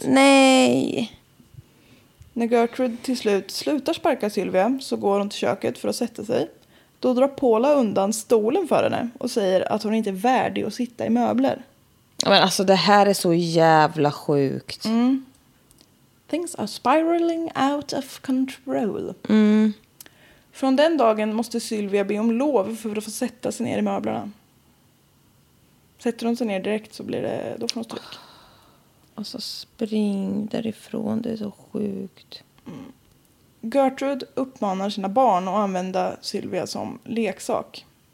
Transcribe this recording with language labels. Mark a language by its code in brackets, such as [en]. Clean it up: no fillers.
[sv] Nej! När Gertrude till slut slutar sparka Sylvia så går hon till köket för att sätta sig. Då drar Paula undan stolen för henne och säger att hon inte är värdig att sitta i möbler. Men alltså det här är så jävla sjukt. Mm. [en] Things are spiraling out of control. [sv] Mm. Från den dagen måste Sylvia be om lov för att få sätta sig ner i möblerna. Sätter hon sig ner direkt så blir det då får hon stryk. Alltså spring därifrån, det är så sjukt. Mm. Gertrude uppmanar sina barn att använda Sylvia som leksak.